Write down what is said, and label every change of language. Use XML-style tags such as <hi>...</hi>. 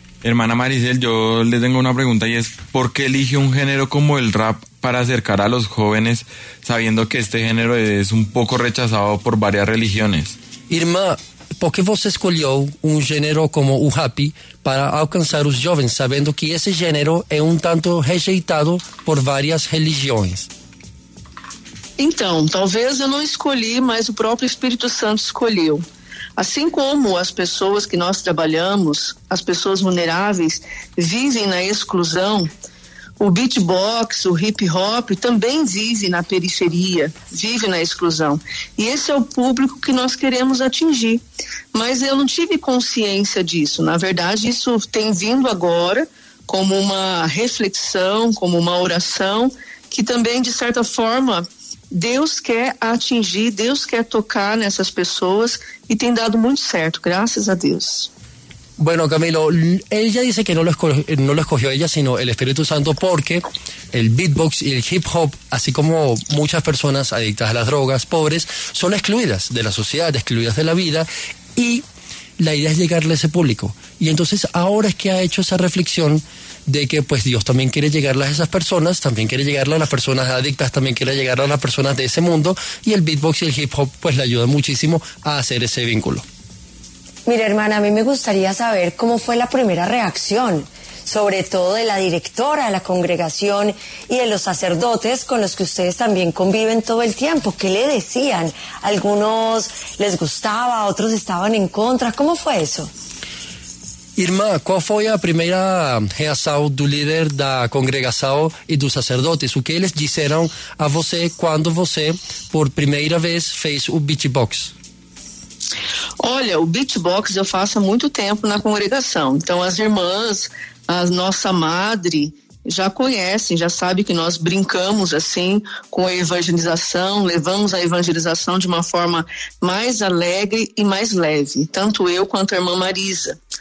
<es>Hermana Maricel, yo le tengo una pregunta y es, ¿por qué elige un género como el rap para acercar a los jóvenes sabiendo que este género es un poco rechazado por varias religiones? Irmã, ¿por qué vos escogió un género como el rap para alcanzar a los jóvenes sabiendo que ese género es un tanto</es> <pt>rejeitado</pt> <es>por varias religiones?</es> <pt>Então, talvez eu não escolhi, mas o próprio Espírito Santo escolheu. Assim como as pessoas que nós trabalhamos, as pessoas vulneráveis, vivem na exclusão, o beatbox, o hip hop também vive na periferia, vive na exclusão. E esse é o público que nós queremos atingir. Mas eu não tive consciência disso. Na verdade, isso tem vindo agora como uma reflexão, como uma oração, que também, de certa forma, Deus quer atingir, Deus quer tocar nessas pessoas e tem dado muito certo, graças a Deus.</pt> <es>Bueno, Camilo, ella dice que no lo escogió ella, sino el Espíritu Santo, porque el beatbox y el hip hop, así como muchas personas adictas a las drogas, pobres, son excluidas de la sociedad, excluidas de la vida, y la idea es llegarle a ese público. Y entonces ahora es que ha hecho esa reflexión de que pues Dios también quiere llegarle a esas personas, también quiere llegarle a las personas adictas, también quiere llegarle a las personas de ese mundo, y el beatbox y el hip hop pues le ayudan muchísimo a hacer ese vínculo. Mira, hermana, a mí me gustaría saber cómo fue la primera reacción, sobre todo de la directora de la congregación y de los sacerdotes con los que ustedes también conviven todo el tiempo. ¿Qué le decían? ¿Algunos les gustaba, otros estaban en contra? ¿Cómo fue eso? Irma, ¿cuál fue la primera reacción del líder de la congregación y de los sacerdotes? ¿Qué les dijeron a usted cuando usted por primera vez</es> <pt>fez</pt> <es>el beatbox?</es> <pt>Olha, o beatbox eu faço há muito tempo na congregação, então as irmãs, a nossa madre já conhecem, já sabem que nós brincamos assim com a evangelização, levamos a evangelização de uma forma mais alegre e mais leve, tanto eu quanto a irmã Marisa.</pt>